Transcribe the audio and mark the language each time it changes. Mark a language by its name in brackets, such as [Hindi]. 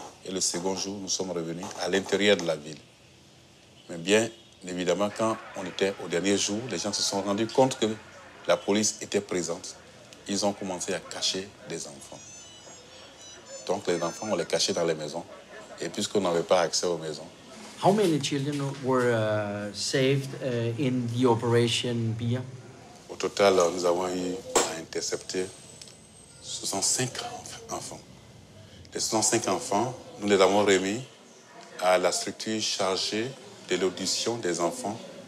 [French] Et le second jour, nous sommes revenus à l'intérieur de la ville. Mais bien évidemment, quand on était au dernier jour, les gens se sont rendus compte que la police était présente. Ils ont commencé à cacher des enfants. Donc les enfants, on les cachait dans les maisons. Et puisqu'on n'avait pas accès aux maisons. [English] How many children were saved in the operation Bia? [French] Au total, nous avons eu à intercepter 65 enfants. Les 65 enfants, nous les avons remis à la structure chargée de l'audition des enfants.